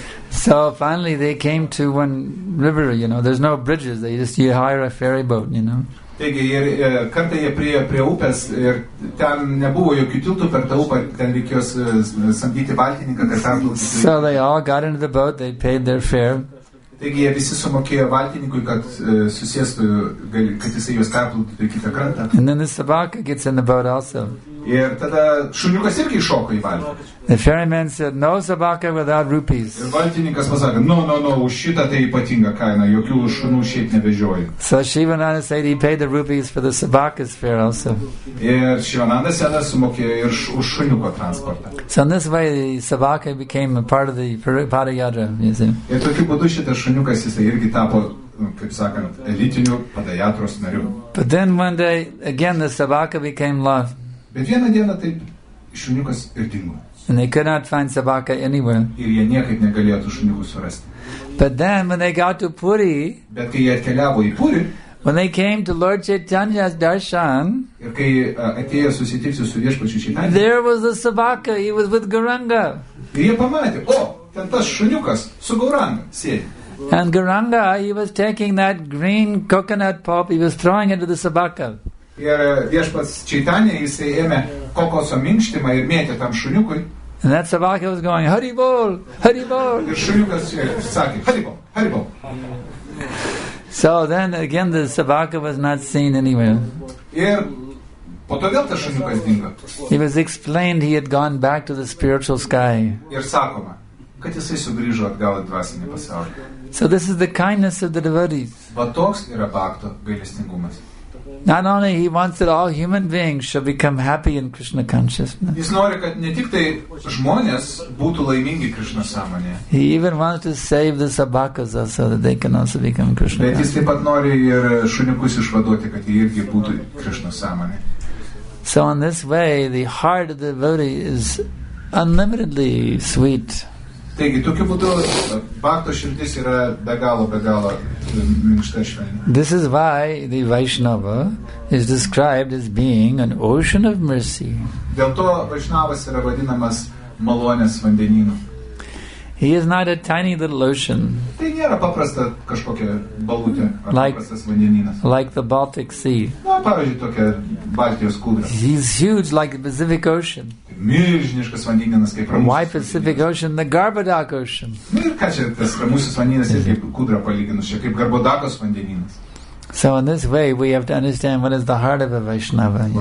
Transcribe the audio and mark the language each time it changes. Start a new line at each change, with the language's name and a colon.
English: So finally they came to one river, you know, there's no bridges, they just, you hire a ferry boat, you know.
Lithuanian: Taigi, ir kartą jie prie upės ir ten nebuvo jokių tiltų per tą upę, ten reikėjo samdyti valtininką, kad ten plaukti.
English: So they all got into the boat, they paid their fare.
Lithuanian: Taigi jie visi sumokėjo valtininkui, kad susėstų, kad jisai juos perplauktų į kitą krantą.
English: And then the sabaka gets in the boat also.
Lithuanian: Ir tada šuniukas irgi iššoko į valtį.
English: The ferryman said, no sabaka without rupees.
Lithuanian: Ir valtininkas pasakė, no, už šitą tai ypatinga kaina, jokių šunų šiaip nevežioju.
English: So Shivananda said he paid the rupees for the sabaka's fare also.
Lithuanian: Ir Shivananda sena sumokėjo ir už šuniuko transportą.
English: So in this way the sabaka became a part of the Padayatra, you see.
Lithuanian: Ir tokiu būdu šitas šuniukas jisai irgi tapo, kaip sakant, elitiniu Padayatros nariu.
English: But then one day, again the sabaka became lost.
Lithuanian: Bet vieną dieną taip šuniukas ir dingo.
English: And they could not find sabaka anywhere.
Lithuanian: Ir jie niekaip negalėjo tų šuniukų surasti.
English: But then when they got to Puri,
Lithuanian: bet kai jie atkeliavo į Puri,
English: when they came to Lord Chaitanya's darshan,
Lithuanian: ir kai atėjo susitikti su viešpačiu Chaitanya,
English: there was a sabaka, he was with Gauranga.
Lithuanian: Ir jie pamatė, o, ten tas šuniukas su Gauranga sėdi.
English: And Gauranga, he was taking that green coconut pulp, he was throwing into the sabaka.
Lithuanian: Ir viešpats Chaitanya, jisai ėmė kokoso minkštimą ir mėtė tam šuniukui.
English: And that sabaka was going, Hari Bol, Hari Bol.
Lithuanian: Ir šuniukas sakė, Hari Bol, Hari Bol.
English: So then again the sabaka was not seen anywhere.
Lithuanian: Ir po to vėl tas šuniukas dingo.
English: It was explained he had gone back to the spiritual sky.
Lithuanian: Ir sakoma, kad jisai sugrįžo atgal į dvasinį pasaulį.
English: So this is the kindness of the devotees.
Lithuanian: Va toks yra bakto gailestingumas.
English: Not only he wants that all human beings shall become happy in Krishna consciousness.
Lithuanian: Jis nori, kad ne tik tai žmonės būtų laimingi Krishna sąmonėje.
English: He even wants to save the sabakas so that they can also become Krishna.
Lithuanian: Bet jis taip pat nori ir šuniukus išvaduoti, kad jie irgi būtų Krishna sąmonėje.
English: So in this way, the heart of the devotee is unlimitedly sweet.
Lithuanian: Taigi, tokiu būdu, bakto širdis yra be galo minkšta švelni.
English: This is why the Vaishnava is described as being an ocean of mercy.
Lithuanian: Dėl to Vaishnavas yra vadinamas malonės vandenynu.
English: He is not a tiny little ocean.
Lithuanian: Tai nėra paprasta kažkokia balutė, paprastas vandenynas.
English: Like the Baltic Sea.
Lithuanian: Na, pavyzdžiui, tokia Baltijos kūdra.
English: He's huge like the Pacific Ocean.
Lithuanian: milžiniškas vandenynas kaip Ramusis.
English: Why Pacific Ocean, the Garbhodak Ocean?
Lithuanian: Ir ką čia tas Ramusis vandenynas, jis kaip kūdra palyginus, čia kaip Garbhodakos vandenynas.
English: So in this way we have to understand what is the heart of a Vaishnava.